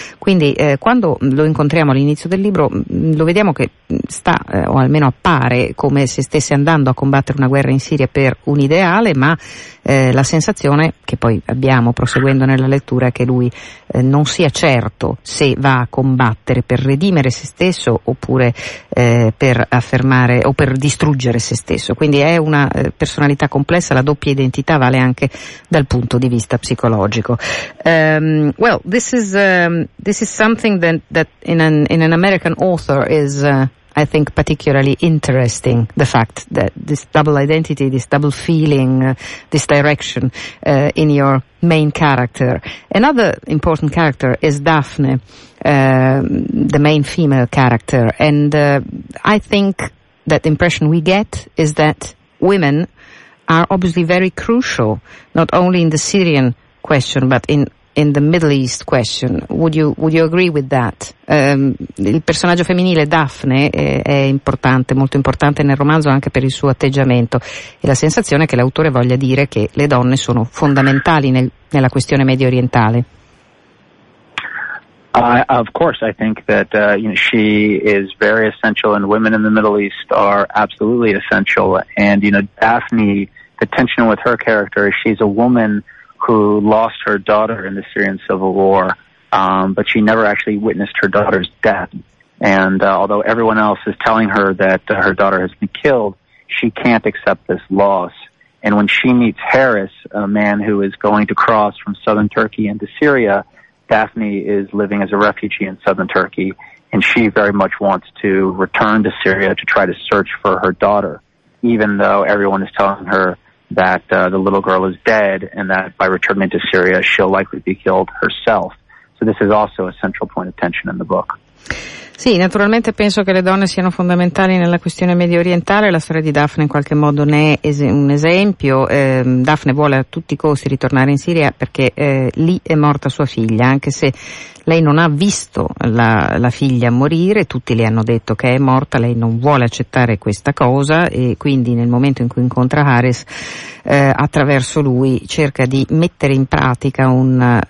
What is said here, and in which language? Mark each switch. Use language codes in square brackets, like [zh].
[it] Quindi quando lo incontriamo all'inizio del libro lo vediamo che sta, o almeno appare, come se stesse andando a combattere una guerra in Siria per un ideale, ma la sensazione che poi abbiamo proseguendo nella lettura è che lui non sia certo se va a combattere per redimere se stesso oppure per affermare o per distruggere se stesso. Quindi è una personalità complessa, la doppia identità vale anche dal punto di vista psicologico. [en] Well, this is something that in an American author is I think, particularly interesting, the fact that this double identity, this double feeling, this direction in your main character. Another important character is Daphne, the main female character. And I think that the impression we get is that women are obviously very crucial, not only in the Syrian question, but in the Middle East question. Would you agree with that? [it] Il personaggio femminile Daphne è importante, molto importante nel romanzo anche per il suo atteggiamento e la sensazione che l'autore voglia dire che le donne sono fondamentali nella questione medio orientale. [en] Of course, I think that you know, she is very essential, and women in the Middle East are absolutely essential. And you know, Daphne, the tension with her character is she's a woman who lost her daughter in the Syrian civil war, but she never actually witnessed her daughter's death. And although everyone else is telling her that her daughter has been killed, she can't accept this loss. And when she meets Harris, a man who is going to cross from southern Turkey into Syria, Daphne is living as a refugee in southern Turkey, and she very much wants to return to Syria to try to search for her daughter, even though everyone is telling her that the little girl is dead and that by returning to Syria she'll likely be killed herself. So this is also a central point of tension in the book. [it] Sì, naturalmente penso che le donne siano fondamentali nella questione medio orientale, la storia di Daphne in qualche modo ne è un esempio. Daphne vuole a tutti i costi ritornare in Siria perché lì è morta sua figlia, anche se lei non ha visto la figlia morire, tutti le hanno detto che è morta, lei non vuole accettare questa cosa e quindi nel momento in cui incontra Harris, attraverso lui cerca di mettere in pratica un